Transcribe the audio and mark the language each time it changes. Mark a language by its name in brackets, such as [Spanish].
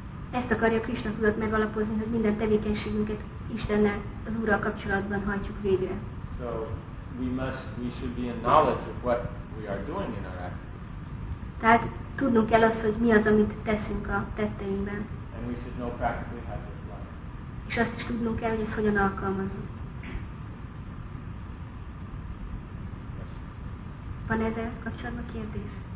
[Hungarian] Ezt akarja Krishna tudat megalapozni, hogy minden tevékenységünket Istennel, az Úrral kapcsolatban hajtsuk végre. [English] So we should be in knowledge of what we are doing in our activities. [Hungarian] Tehát tudnunk kell azt, hogy mi az, amit teszünk a tetteinkben. [English] And we should know practically how to apply. [Hungarian] És azt is tudnunk kell, hogy ezt hogyan alkalmazzuk. Van ezzel kapcsolatban kérdés?